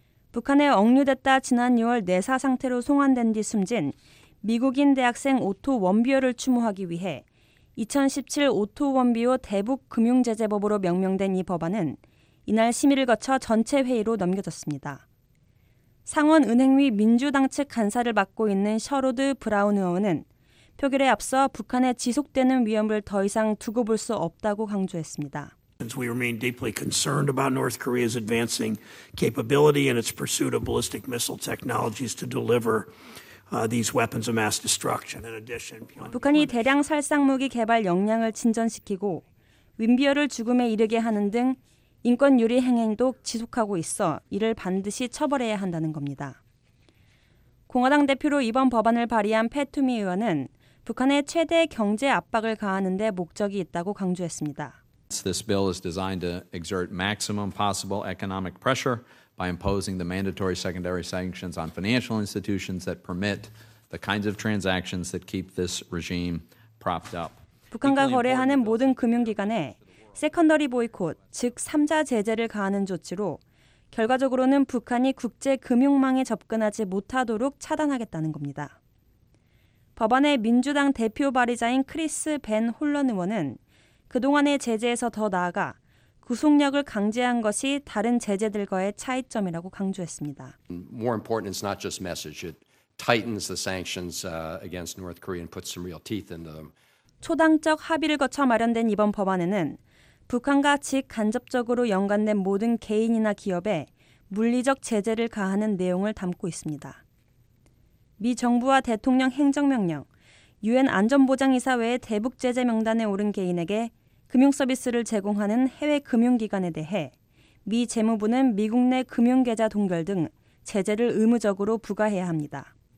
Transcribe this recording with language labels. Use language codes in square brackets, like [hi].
[ko] 북한에 억류됐다 지난 6월 내사 상태로 송환된 뒤 숨진 미국인 대학생 오토 원비어를 추모하기 위해 2017 오토 원비어 대북 금융제재법으로 명명된 이 법안은 이날 심의를 거쳐 전체 회의로 넘겨졌습니다. 상원 은행위 민주당 측 간사를 맡고 있는 셔로드 브라운 의원은 표결에 앞서 북한의 지속되는 위험을 더 이상 두고 볼 수 없다고 강조했습니다. [en] Since we remain deeply concerned about North Korea's advancing capability and its pursuit of ballistic missile technologies to deliver these weapons of mass destruction. In addition, [ko] 북한이 대량 살상 무기 개발 역량을 진전시키고 윈비어를 죽음에 이르게 하는 등 인권 유리 행행도 지속하고 있어 이를 반드시 처벌해야 한다는 겁니다. 공화당 대표로 이번 법안을 발의한 패투미 의원은 북한의 최대 경제 압박을 가하는 데 목적이 있다고 강조했습니다. [en] This bill is designed to exert maximum possible economic pressure by imposing the mandatory secondary sanctions on financial institutions that permit the kinds of transactions that keep this regime propped up. [ko] 북한과 거래하는 모든 금융기관에 세컨더리 보이콧, 즉 3자 제재를 가하는 조치로 결과적으로는 북한이 국제 금융망에 접근하지 못하도록 차단하겠다는 겁니다. 법안의 민주당 대표 발의자인 크리스 벤 홀런 의원은 그동안의 제재에서 더 나아가 구속력을 강제한 것이 다른 제재들과의 차이점이라고 강조했습니다. [en] More important, it's not just message. It tightens the sanctions against North Korea and puts some real teeth into them. [ko] 초당적 합의를 거쳐 마련된 이번 법안에는 북한과 직간접적으로 연관된 모든 개인이나 기업에 물리적 제재를 가하는 내용을 담고 있습니다. 미 정부와 대통령 행정명령, 유엔 안전보장이사회의 대북 제재 명단에 오른 개인에게 금융 서비스를 제공하는 해외 금융기관에 대해 미 재무부는 미국 내 금융계좌 동결 등 제재를 의무적으로 부과해야 합니다.